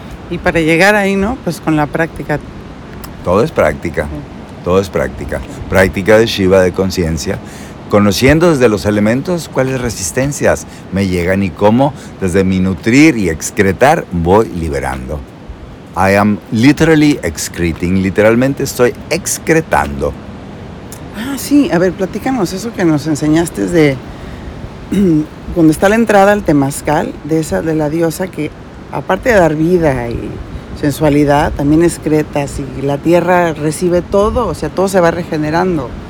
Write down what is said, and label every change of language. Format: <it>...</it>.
<es>Y para llegar ahí, ¿no? Pues con la práctica. Todo es práctica. Sí. Todo es práctica. Práctica de Shiva, de conciencia. Conociendo desde los elementos cuáles resistencias me llegan y cómo desde mi nutrir y excretar voy liberando.</es> <en>I am literally excreting.</en> <es>Literalmente estoy excretando. Ah, sí. A ver, platícanos eso que nos enseñaste de cuando está la entrada al temazcal, de esa, de la diosa que, aparte de dar vida y sensualidad, también excretas y la tierra recibe todo, o sea, todo se va regenerando.</es>